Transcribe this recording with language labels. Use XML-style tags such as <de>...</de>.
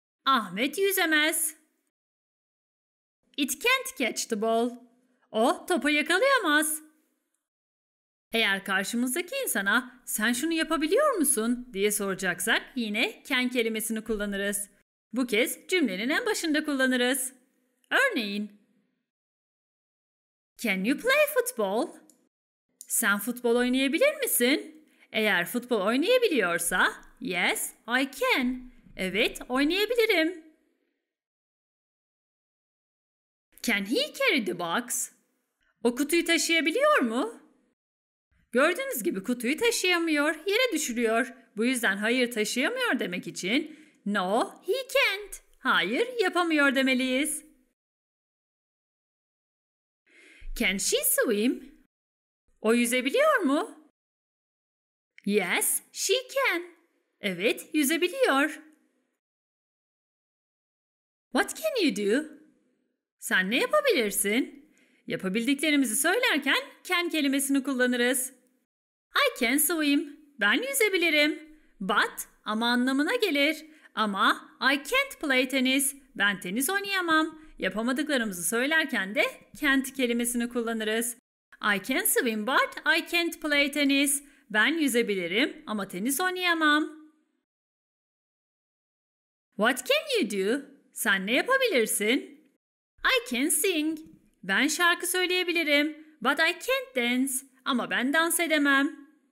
<tr>Ahmet yüzemez.</tr> <en>It can't catch the ball.</en> <tr>O topu yakalayamaz. Eğer karşımızdaki insana "Sen şunu yapabiliyor musun?" diye soracaksak yine can kelimesini kullanırız. Bu kez cümlenin en başında kullanırız. Örneğin:</tr> <en>Can you play football?</en> <tr>Sen futbol oynayabilir misin? Eğer futbol oynayabiliyorsa,</tr> <en>yes, I can.</en> <tr>Evet, oynayabilirim.</tr> <en>Can he carry the box?</en> <tr>O kutuyu taşıyabiliyor mu? Gördüğünüz gibi kutuyu taşıyamıyor, yere düşürüyor. Bu yüzden hayır, taşıyamıyor demek için</tr> <en>no, he can't.</en> <tr>Hayır, yapamıyor demeliyiz.</tr> <en>Can she swim?</en> <tr>O yüzebiliyor mu?</tr> <en>Yes, she can.</en> <tr>Evet, yüzebiliyor.</tr> <en>What can you do?</en> <tr>Sen ne yapabilirsin? Yapabildiklerimizi söylerken can kelimesini kullanırız.</tr> <en>I can swim.</en> <tr>Ben yüzebilirim.</tr> <en>But,</en> <tr>ama anlamına gelir. Ama</tr> <en>I can't play tennis.</en> <tr>Ben tenis oynayamam. Yapamadıklarımızı söylerken de can't kelimesini kullanırız.</tr> <en>I can swim but I can't play tennis.</en> <tr>Ben yüzebilirim ama tenis oynayamam.</tr> <en>What can you do?</en> <tr>Sen ne yapabilirsin?</tr> <en>I can sing.</en> <tr>Ben şarkı söyleyebilirim.</tr> <en>But I can't dance.</en> <tr>Ama ben dans edemem.</tr>